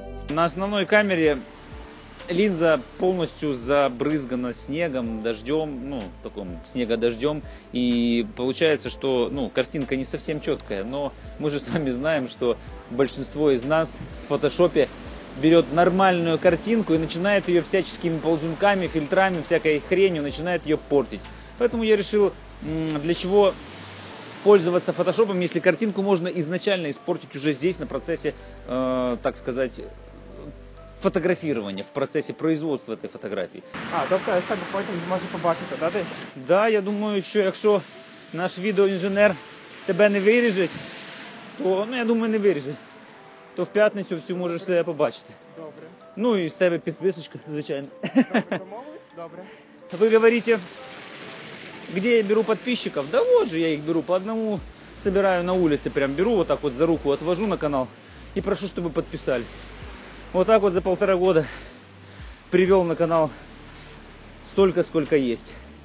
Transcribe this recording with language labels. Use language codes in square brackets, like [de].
[ru] На основной камере линза полностью забрызгана снегом, дождем, ну, таком снегодождем, и получается, что, ну, картинка не совсем четкая, но мы же с вами знаем, что большинство из нас в фотошопе берет нормальную картинку и начинает ее всяческими ползунками, фильтрами, всякой хренью, начинает ее портить. Поэтому я решил, для чего пользоваться фотошопом, если картинку можно изначально испортить уже здесь, на процессе, так сказать, фотографирование, в процессе производства этой фотографии. [uk] А, тобто я так потім зможу побачити, да, десь? Да, я думаю, що якщо наш відеоінженер тебе не виріже, то, ну, я думаю, не виріже, то в п'ятницю всю можеш себе побачити. Добре. Ну, і з тебе підписочка, звичайно. Добре, домовились? Добре. [ru] Ви говорите, где я беру подписчиков? Да вот же я їх беру, по одному собираю на улице, прям беру, вот так вот за руку отвожу на канал і прошу, чтобы подписались. Вот так вот за полтора года привел на канал столько, сколько есть.